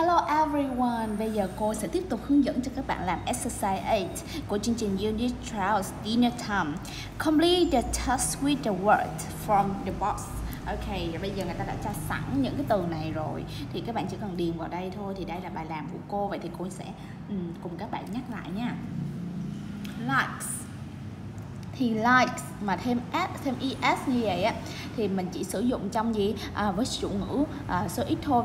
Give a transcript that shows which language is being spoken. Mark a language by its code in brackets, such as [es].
[vi] everyone, bây giờ cô sẽ tiếp tục hướng dẫn cho các bạn làm exercise 8 của chương trình Unit 12 Dinner Time. [en] Complete the task with the word from the box. [vi] Ok, bây giờ người ta đã tra sẵn những cái từ này rồi, thì các bạn chỉ cần điền vào đây thôi. Thì đây là bài làm của cô, vậy thì cô sẽ cùng các bạn nhắc lại nha. Likes, thì likes mà thêm s, thêm es như vậy á, thì mình chỉ sử dụng trong gì, với chủ ngữ số ít thôi.